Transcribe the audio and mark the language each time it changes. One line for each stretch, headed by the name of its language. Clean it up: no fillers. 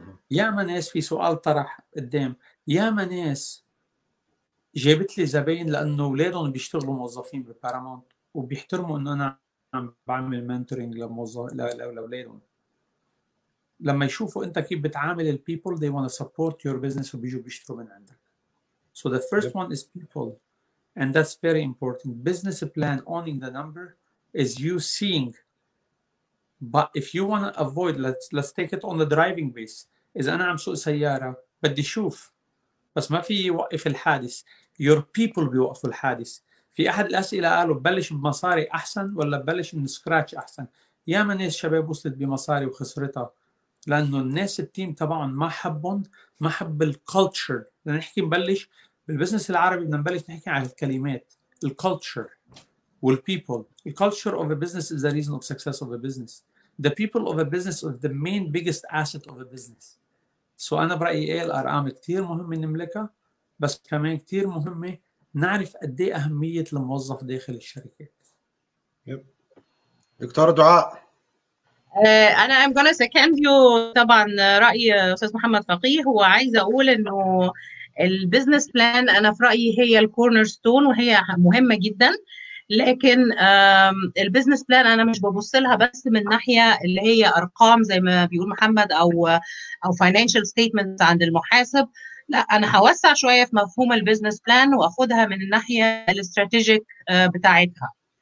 Arabic: يا ما ناس، في سؤال طرح قدام، يا ما ناس جابت لي زباين لأنه أولادهم بيشتغلوا موظفين بالبارامونت وبيحترموا أنه أنا بعمل منتورينج لأولادهم. لما يشوفوا أنت كيف بتعامل البيبول،
English: they want to support your business
Arabic: وبيجوا بيشتروا من عندك.
English: So the first one is people, and that's very important. Business plan, owning the number, is you seeing. But if you want to avoid, let's take it on the driving base.
Arabic: إذا أنا عم سوق سيارة بدي شوف، بس ما في يوقف الحادث،
English: your people
Arabic: بيوقفوا الحادث. في أحد الأسئلة قالوا ببلش بمصاري أحسن ولا ببلش من سكراتش أحسن؟ يا من ناس شباب وصلت بمصاري وخسرتها لأنه الناس التيم طبعاً ما حبهم، ما حب الكولتشر. لنحكي نبلش بالبزنس العربي، بدنا نبلش نحكي على الكلمات الكولتشر والpeople.
English: The culture of a business is the reason of success of a business. The people of a business are the main biggest asset of a business.
Arabic: So أنا برأيي إيه، الأرقام كتير مهمة نملكها، بس كمان كتير مهمة نعرف قد إيه أهمية الموظف داخل الشركة. دكتور دعاء، أنا
English: I'm gonna second you.
Arabic: طبعاً رأي أستاذ محمد فقيه، هو عايز أقول إنه البزنس بلان أنا في رأيي هي الكورنر ستون وهي مهمة جداً. لكن البيزنس بلان انا مش ببص لها بس من ناحيه اللي هي ارقام زي ما بيقول محمد او فاينانشال ستيتمنت عند المحاسب، لا انا هوسع شويه في مفهوم البيزنس بلان واخدها من الناحيه الاستراتيجيك بتاعتها.